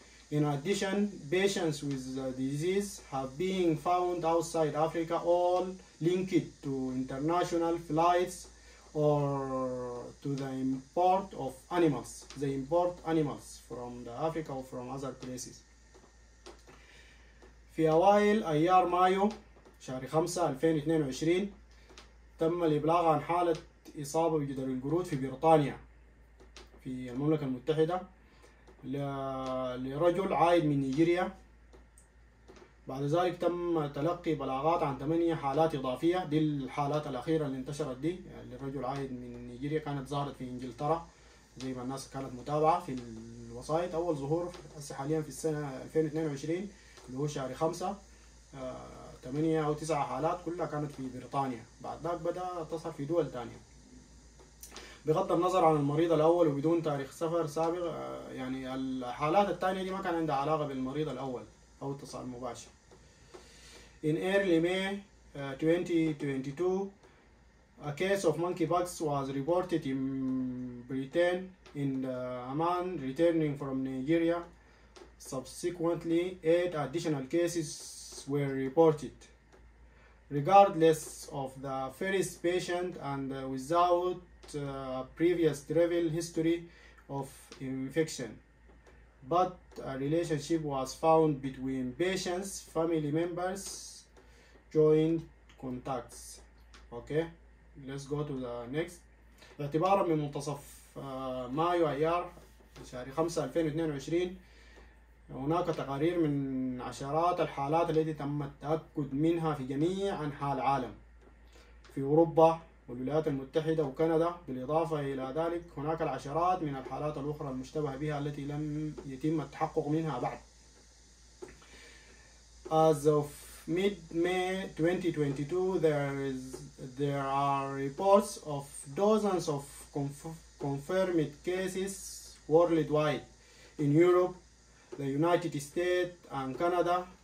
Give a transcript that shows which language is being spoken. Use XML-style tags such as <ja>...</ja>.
<en>In addition, patients with the disease have been found outside Africa all linked to international flights or to the import of animals. They import animals from the Africa or from other places.</en> <ar>في أوائل أيار مايو شهر 5 2022 تم الإبلاغ عن حالة إصابة بجدر القرود في بريطانيا في المملكة المتحدة لرجل عائد من نيجيريا. بعد ذلك تم تلقي بلاغات عن 8 حالات إضافية، دي الحالات الأخيرة اللي انتشرت دي للرجل عايد من نيجيريا، كانت ظهرت في إنجلترا زي ما الناس كانت متابعة في الوسائط. أول ظهور هسه حاليا في السنة 2022 اللي هو شهر 5، 8 أو 9 حالات كلها كانت في بريطانيا، بعد ذلك بدأ تظهر في دول تانية. بغض النظر عن المريض الأول وبدون تاريخ سفر سابق، يعني الحالات التانية دي ما كان عندها علاقة بالمريض الأول أو اتصال مباشر.</ar> <en>In early May 2022, a case of monkeypox was reported in Britain in a man returning from Nigeria. Subsequently, 8 additional cases were reported. Regardless of the first patient and without a previous travel history of infection, but a relationship was found between patients, family members, joint contacts. Okay, let's go to the next.</en> <ar>اعتبارا من منتصف مايو ايار شهر 5 2022، هناك تقارير من عشرات الحالات التي تم التأكد منها في جميع أنحاء العالم، في أوروبا والولايات المتحدة وكندا، بالإضافة إلى ذلك هناك العشرات من الحالات الأخرى المشتبه بها التي لم يتم التحقق منها بعد.</ar> <en>As of mid-May 2022, there are reports of dozens of confirmed cases worldwide in Europe, the United States and Canada.</en>